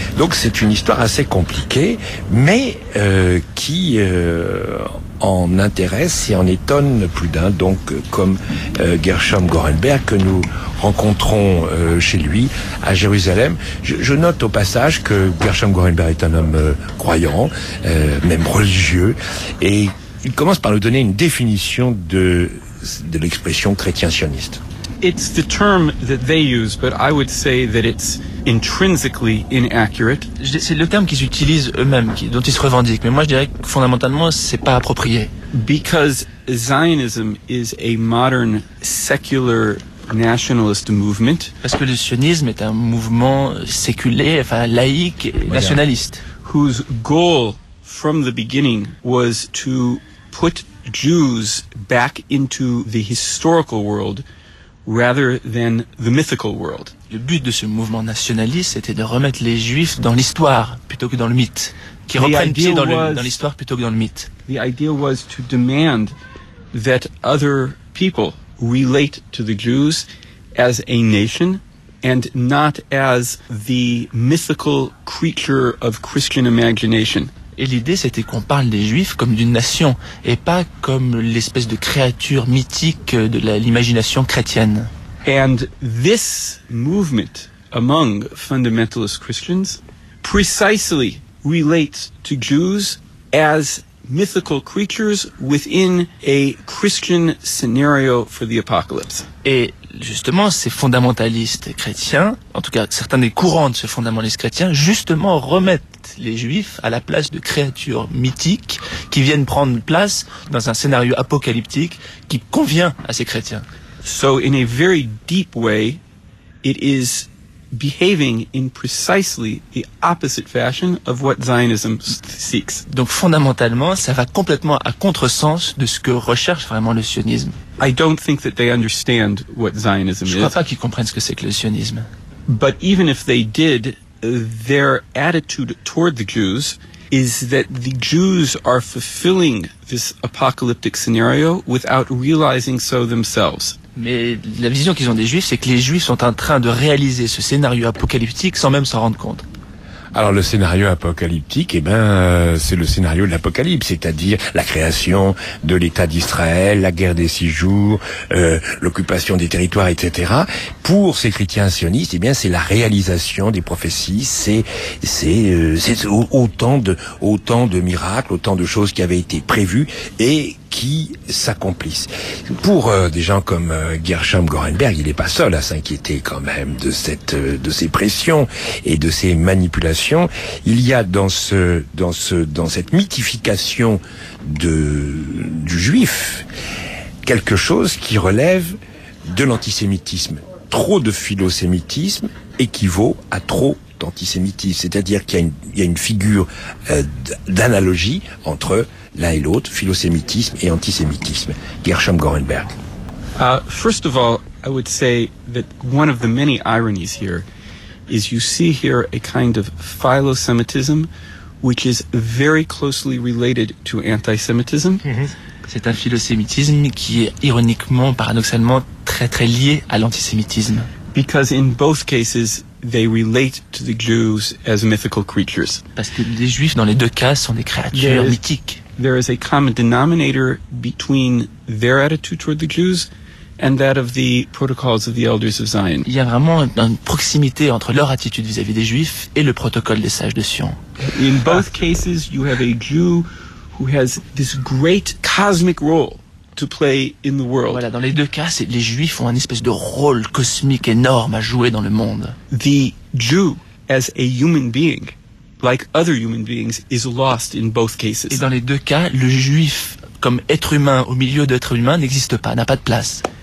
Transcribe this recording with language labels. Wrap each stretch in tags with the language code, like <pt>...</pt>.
<fr>Donc c'est une histoire assez compliquée, mais qui en intéresse et en étonne plus d'un, donc comme Gershom Gorenberg, que nous rencontrons chez lui à Jérusalem. Je note au passage que Gershom Gorenberg est un homme croyant, même religieux, et il commence par nous donner une définition de l'expression chrétien sioniste.</fr> <en>It's the term that they use, but I would say that it's intrinsically inaccurate.</en> <fr>C'est le terme qu'ils utilisent eux-mêmes, dont ils se revendiquent. Mais moi, je dirais que fondamentalement, c'est pas approprié.</fr> <en>Because Zionism is a modern secular nationalist movement.</en> <fr>Parce que le sionisme est un mouvement séculaire, enfin laïque, nationaliste.</fr> <en>Whose goal from the beginning was to put Jews back into the historical world rather than the mythical world.</en> <fr>Le but de ce mouvement nationaliste était de remettre les Juifs dans l'histoire plutôt que dans le mythe, qui reprennent pied dans l'histoire plutôt que dans le mythe.</fr> <en>The idea was to demand that other people relate to the Jews as a nation and not as the mythical creature of Christian imagination.</en> <fr>Et l'idée, c'était qu'on parle des Juifs comme d'une nation, et pas comme l'espèce de créature mythique de l'imagination chrétienne.</fr> <en>And this movement among fundamentalist Christians precisely relates to Jews as mythical creatures within a Christian scenario for the apocalypse.</en> <fr>Et justement, ces fondamentalistes chrétiens, en tout cas certains des courants de ce fondamentalisme chrétien, justement remettent les Juifs à la place de créatures mythiques qui viennent prendre place dans un scénario apocalyptique qui convient à ces chrétiens.</fr> <en>So in a very deep way, it is behaving in precisely the opposite fashion of what Zionism seeks.</en> <fr>Donc fondamentalement, ça va complètement à contresens de ce que recherche vraiment le sionisme.</fr> <en>I don't think that they understand what Zionism is.</en> <fr>Je crois pas qu'ils comprennent ce que c'est que le sionisme.</fr> <en>But even if they did, their attitude toward the Jews is that the Jews are fulfilling this apocalyptic scenario without realizing so themselves.</en> <fr>Mais la vision qu'ils ont des Juifs, c'est que les Juifs sont en train de réaliser ce scénario apocalyptique sans même s'en rendre compte. Alors le scénario apocalyptique, eh ben, c'est le scénario de l'Apocalypse, c'est-à-dire la création de l'État d'Israël, la guerre des six jours, l'occupation des territoires, etc. Pour ces chrétiens sionistes, eh bien, c'est la réalisation des prophéties, c'est autant de miracles, autant de choses qui avaient été prévues et qui s'accomplissent. Pour des gens comme Gershom Gorenberg, il n'est pas seul à s'inquiéter quand même de ces pressions et de ces manipulations. Il y a dans cette mythification du juif quelque chose qui relève de l'antisémitisme. Trop de philosémitisme équivaut à trop d'antisémitisme. C'est-à-dire qu'il y a une figure d'analogie entre l'un et l'autre, philosémitisme et antisémitisme. Gershom Gorenberg.</fr> <en>First of all, I would say that one of the many ironies here is you see here a kind of philosemitism which is very closely related to antisemitism.</en> <fr>C'est un philosémitisme qui est ironiquement, paradoxalement, très très lié à l'antisémitisme.</fr> <en>Because in both cases, they relate to the Jews as mythical creatures.</en> <fr>Parce que les Juifs, dans les deux cas, sont des créatures mythiques.</fr> <en>There is a common denominator between their attitude toward the Jews and that of the protocols of the elders of Zion.</en> <fr>Il y a vraiment une proximité entre leur attitude vis-à-vis des Juifs et le protocole des sages de Sion.</fr> <en>In both cases, you have a Jew who has this great cosmic role to play in the world.</en> <fr>Voilà, dans les deux cas, les Juifs ont une espèce de rôle cosmique énorme à jouer dans le monde.</fr> <en>The Jew as a human being, like other human beings, is lost in both cases.</en> <fr>Et dans les deux cas, le juif comme être humain au milieu d'êtres humains n'existe pas, n'a pas de place.</fr>